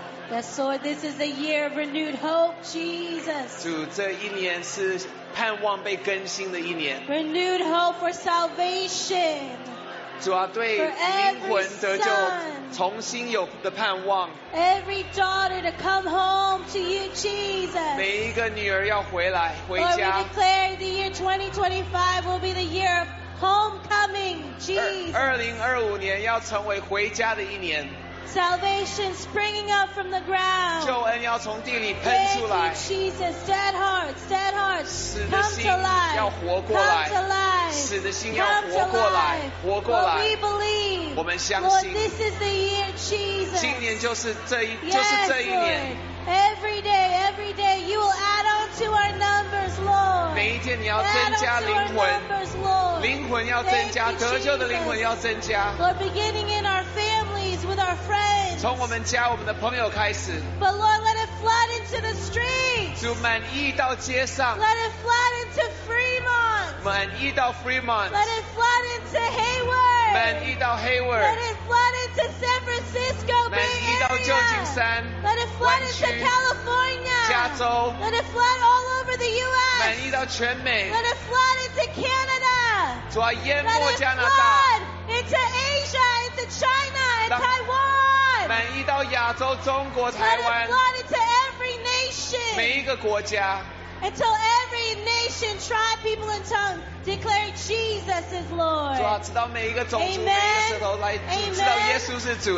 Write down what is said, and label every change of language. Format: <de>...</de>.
<en>Yes, Lord, this is a year of renewed hope, Jesus.</en> <zh>主，这一年是盼望被更新的一年。</zh> <en>Renewed hope for salvation.</en> <zh>主啊，对灵魂得救重新有的盼望。</zh> <en>Every daughter to come home to you, Jesus.</en> <zh>每一个女儿要回来回家。</zh> <en>Lord, we declare the year 2025 will be the year of homecoming, Jesus.</en> <zh>2025年要成为回家的一年。</zh> <en>Salvation springing up from the ground.</en> <zh>救恩要从地里喷出来。</zh> <en>Thank you, Jesus. Dead hearts, dead hearts.</en> <zh>死的心要活过来。</zh> <en>Come to life.</en> <zh>死的心要活过来。活过来。</zh> <en>We believe.</en> <zh>我们相信。</zh> <en>Lord, this is the year, Jesus.</en> <zh>今年就是这一，就是这一年。</zh> <en>Every day, you will add on to our numbers, Lord.</en> <zh>每一天你要增加灵魂。灵魂要增加，得救的灵魂要增加。</zh> <en>Lord, beginning in our families with our friends.</en> <zh>从我们家、我们的朋友开始。</zh> <en>But Lord, let it flood into the streets.</en> <zh>主满溢到街上。</zh> <en>Let it flood into Fremont.</en> <zh>满溢到 Fremont.</zh> <en>Let it flood into Hayward.</en> <zh>满溢到 Hayward.</zh> <en>Let it flood into San Francisco Bay Area.</en> <zh>满溢到旧金山。</zh> <en>Let it flood into California.</en> <zh>加州。</zh> <en>Let it flood all over the U.S.</en> <zh>满溢到全美。</zh> <en>Let it flood into Canada.</en> <zh>主啊，淹没加拿大。</zh> <en>Let it flood into Asia, into China, and Taiwan.</en> <zh>满溢到亚洲、中国、台湾。</zh> <en>Let it flood into every nation.</en> <zh>每一个国家。</zh> <en>Until every nation, tribe, people, and tongue declare Jesus is Lord.</en> <zh>主啊，直到每一个种族、每一个舌头来知道耶稣是主。</zh>